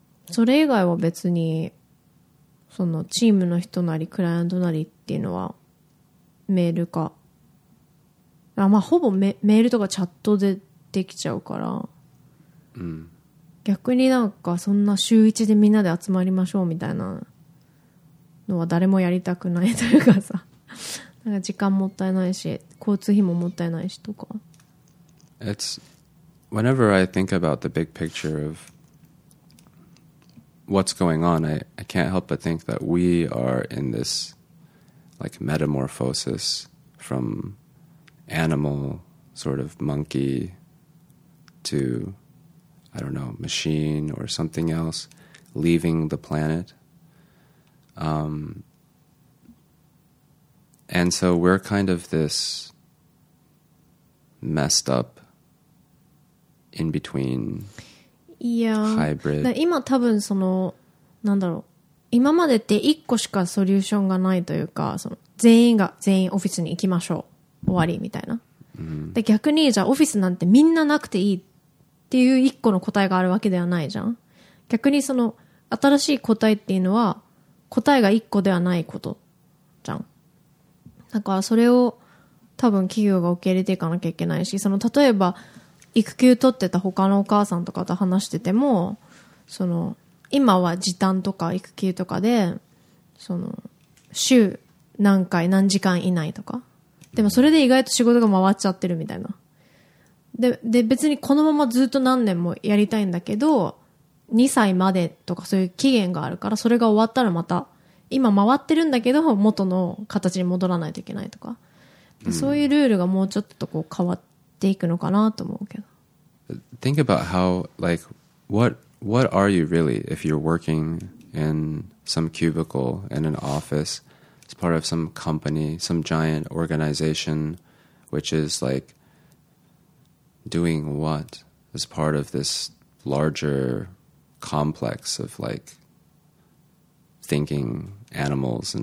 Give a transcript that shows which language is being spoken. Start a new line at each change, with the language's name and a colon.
Japanese: それ以外は別にそのチームの人なりクライアントなりっていうのはメールか、あ、まあほぼメールとかチャットでできちゃうから、逆になんかそんな週一でみんなで集まりましょうみたいなのは誰もやりたくないというかさ、なんか時間もったいないし交通費ももったいないしとか。
English: It's whenever I think about the big picture ofWhat's going on, I can't help but think that we are in this like metamorphosis from animal sort of monkey to, I don't know, machine or something else, leaving the planet. And so we're kind of this messed up in between
Japanese: いや、だ今多分そのなんだろう、今までって一個しかソリューションがないというか、その全員が全員オフィスに行きましょう終わりみたいな、で逆にじゃあオフィスなんてみんななくていいっていう一個の答えがあるわけではないじゃん。逆にその新しい答えっていうのは答えが一個ではないことじゃん。だからそれを多分企業が受け入れていかなきゃいけないし、その例えば育休取ってた他のお母さんとかと話してても、その今は時短とか育休とかで、その週何回何時間以内とか、でもそれで意外と仕事が回っちゃってるみたいな、で別にこのままずっと何年もやりたいんだけど、2歳までとかそういう期限があるから、それが終わったらまた今回ってるんだけど元の形に戻らないといけないとか、そういうルールがもうちょっとこう変わっていくのかなと思うけど。
English: Think about how, like, what are you really if you're working in some cubicle in an office? It's part of some company, some giant organization, which is like doing what as part of this larger complex of like thinking animals.